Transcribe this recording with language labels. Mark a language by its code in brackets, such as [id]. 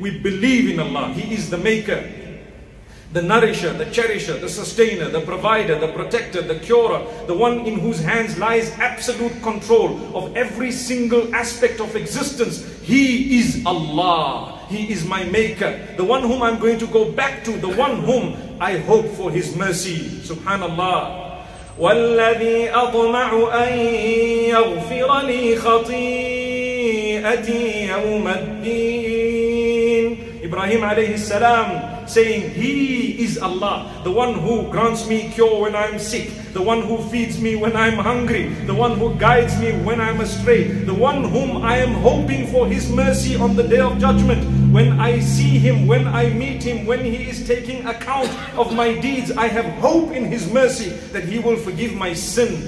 [en] We believe in Allah. He is the maker, the nourisher, the cherisher, the sustainer, the provider, the protector, the curer, the one in whose hands lies absolute control of every single aspect of existence. He is Allah. He is my maker, the one whom I'm going to go back to, the one whom I hope for his mercy. Subhanallah. [ar] وَالَّذِي أَطْمَعُ أَن يَغْفِرَ لِي خَطِيئَتِي يَوْمَ الدِّينِ. [en] Ibrahim alayhi salam saying, he is Allah, the one who grants me cure when I'm sick, the one who feeds me when I'm hungry, the one who guides me when I'm astray, the one whom I am hoping for his mercy on the day of judgment. When I see him, when I meet him, when he is taking account of my deeds, I have hope in his mercy that he will forgive my sin.